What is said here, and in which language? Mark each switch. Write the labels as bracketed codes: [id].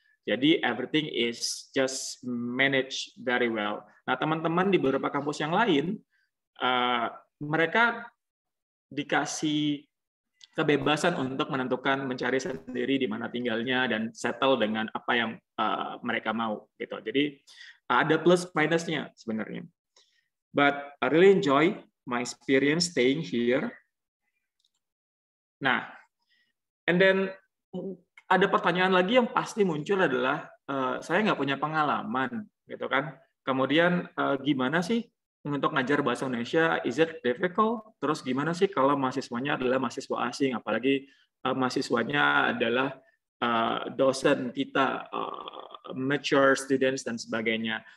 [en] Jadi, everything is just managed very well. [id] Nah, teman-teman di beberapa kampus yang lain, mereka dikasih kebebasan untuk menentukan mencari sendiri di mana tinggalnya dan settle dengan apa yang mereka mau gitu. Jadi ada plus minusnya sebenarnya. [en] But I really enjoy my experience staying here. [id] Nah, and then ada pertanyaan lagi yang pasti muncul adalah saya nggak punya pengalaman gitu kan. Kemudian gimana sih untuk ngajar bahasa Indonesia, [en] is it difficult? [id] Terus gimana sih kalau mahasiswanya adalah mahasiswa asing, apalagi mahasiswanya adalah dosen kita, [en] mature students [id] dan sebagainya.